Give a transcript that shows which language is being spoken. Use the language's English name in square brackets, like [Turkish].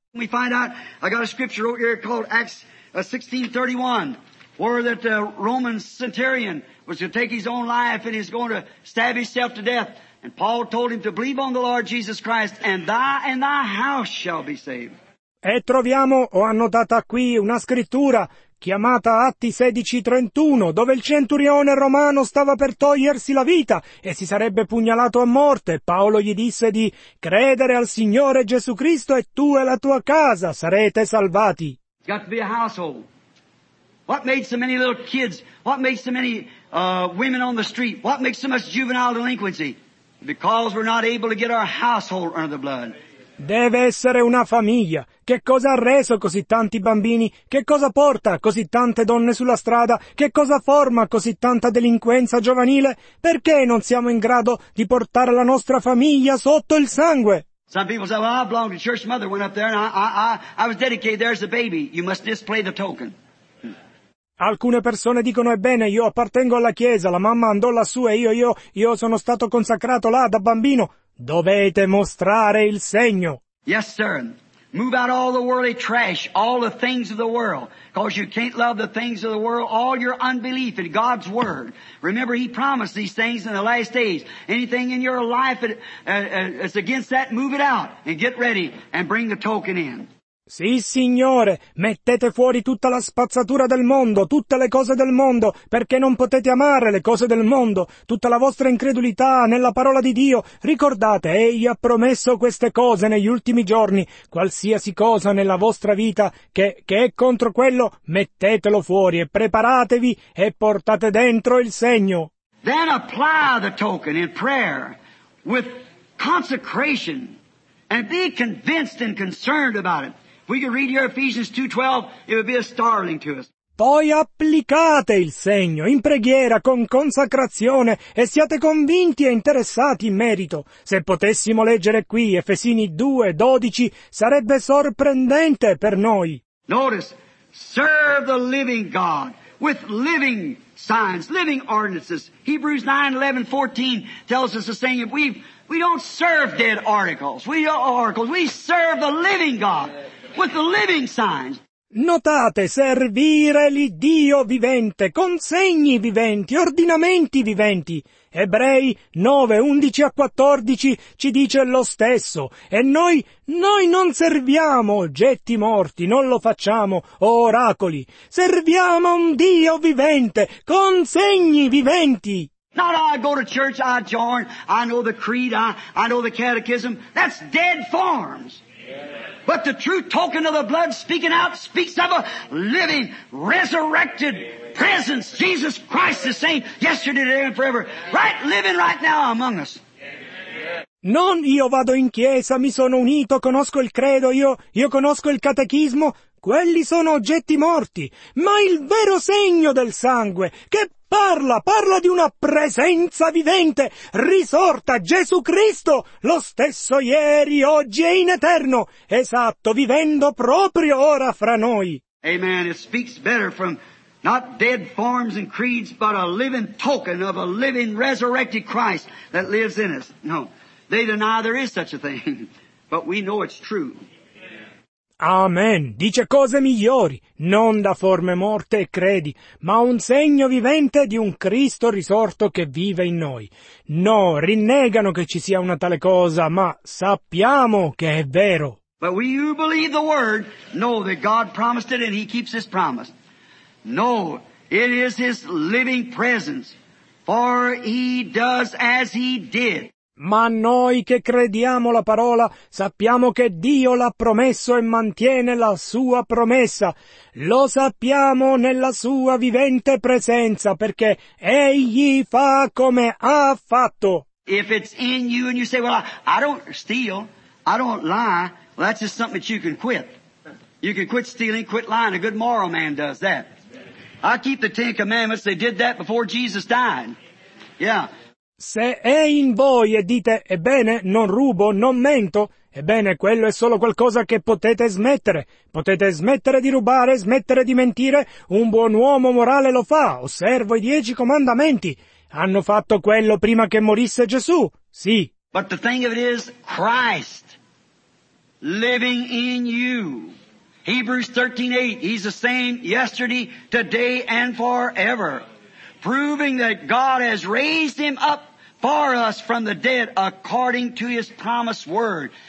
[English] We find out, I got a scripture over here called Acts 16:31, where that the Roman centurion was going to take his own life and he's going to stab himself to death. And Paul told him to believe on the Lord Jesus Christ, and thy house shall be saved. [Italian] E troviamo, ho annotata qui, una scrittura chiamata Atti 16:31, dove il centurione romano stava per togliersi la vita e si sarebbe pugnalato a morte. Paolo gli disse di credere al Signore Gesù Cristo e tu e la tua casa sarete salvati. [English] It's got to be a household. What made so many little kids, what made so many women on the street, what makes so much juvenile delinquency? Because we're not able to get our household under the blood. [Italian] Deve essere una famiglia. Che cosa ha reso così tanti bambini? Che cosa porta così tante donne sulla strada? Che cosa forma così tanta delinquenza giovanile? Perché non siamo in grado di portare la nostra famiglia sotto il sangue? [English] Some people say, well, I belong to church. Mother went up there and I was dedicated there as a baby. You must display the token. [Italian] Alcune persone dicono, ebbene, io appartengo alla Chiesa, la mamma andò lassù e io sono stato consacrato là da bambino. Dovete mostrare il segno. [English] Yes, sir. Move out all the worldly trash, all the things of the world, because you can't love the things of the world, all your unbelief in God's Word. Remember, He promised these things in the last days. Anything in your life that's against that, move it out and get ready and bring the token in. [Italian] Sì, Signore, mettete fuori tutta la spazzatura del mondo, tutte le cose del mondo, perché non potete amare le cose del mondo, tutta la vostra incredulità nella parola di Dio. Ricordate, Egli ha promesso queste cose negli ultimi giorni. Qualsiasi cosa nella vostra vita che è contro quello, mettetelo fuori e preparatevi e portate dentro il segno. [English] Then apply the token in prayer with consecration and be convinced and concerned about it. We could read your Ephesians 2:12, it would be a startling to us. [Italian] Poi applicate il segno in preghiera con consacrazione e siate convinti e interessati in merito. Se potessimo leggere qui Efesini 2:12, sarebbe sorprendente per noi. [English] Notice, serve the living God with living signs, living ordinances. Hebrews 9:11-14 tells us the same. We don't serve dead articles. We are oracles. We serve the living God. With the living signs. [Italian] Notate, servire l'Iddio vivente, con segni viventi, ordinamenti viventi. Ebrei 9:11-14 ci dice lo stesso. E noi non serviamo oggetti morti, non lo facciamo, o oracoli. Serviamo un Dio vivente, con segni viventi. [English] Not I go to church, I join, I know the creed, I know the catechism. That's dead forms. But the true token of the blood speaking out speaks of a living, resurrected presence. Jesus Christ the same yesterday, today and forever. Right, living right now among us. [Italian] Non io vado in chiesa, mi sono unito, conosco il credo, io conosco il catechismo. Quelli sono oggetti morti. Ma il vero segno del sangue che parla di una presenza vivente, risorta, Gesù Cristo, lo stesso ieri, oggi e in eterno, esatto, vivendo proprio ora fra noi. [English] Amen. It speaks better from not dead forms and creeds, but a living token of a living resurrected Christ that lives in us. No, they deny there is such a thing, but we know it's true. Amen. [Italian] Dice cose migliori, non da forme morte e credi, ma un segno vivente di un Cristo risorto che vive in noi. No, rinnegano che ci sia una tale cosa, ma sappiamo che è vero. [English] But we who believe the word know that God promised it and He keeps His promise. No, it is His living presence, for He does as He did. [Italian] Ma noi che crediamo la parola sappiamo che Dio l'ha promesso e mantiene la sua promessa. Lo sappiamo nella sua vivente presenza perché Egli fa come ha fatto. [English] If it's in you and you say, well, I don't steal, I don't lie, well, that's just something that you can quit. You can quit stealing, quit lying. A good moral man does that. I keep the Ten Commandments. They did that before Jesus died. Yeah. [Italian] Se è in voi e dite, ebbene, non rubo, non mento, ebbene, quello è solo qualcosa che potete smettere. Potete smettere di rubare, smettere di mentire. Un buon uomo morale lo fa, osservo i 10 comandamenti. Hanno fatto quello prima che morisse Gesù, sì. [English] But the thing of it is, Christ living in you. Hebrews 13:8, He's the same yesterday, today and forever. Proving that God has raised Him up for us from the dead according to His promised word.